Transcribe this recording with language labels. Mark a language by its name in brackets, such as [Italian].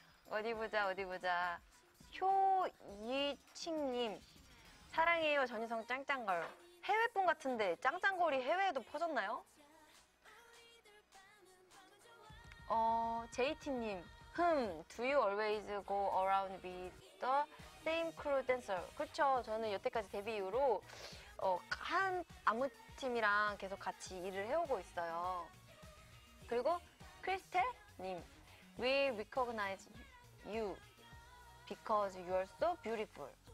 [Korean] 어디 보자. 효이칭님. 사랑해요 전유성 짱짱걸. 해외뿐 같은데 짱짱걸이 해외에도 퍼졌나요? 제이티님. [English] Do you always go around with the same crew dancer? [Korean] 그렇죠. 저는 여태까지 데뷔 이후로 한 안무팀이랑 계속 같이 일을 해오고 있어요. 그리고 크리스텔님. [English] We recognize you because you are so beautiful.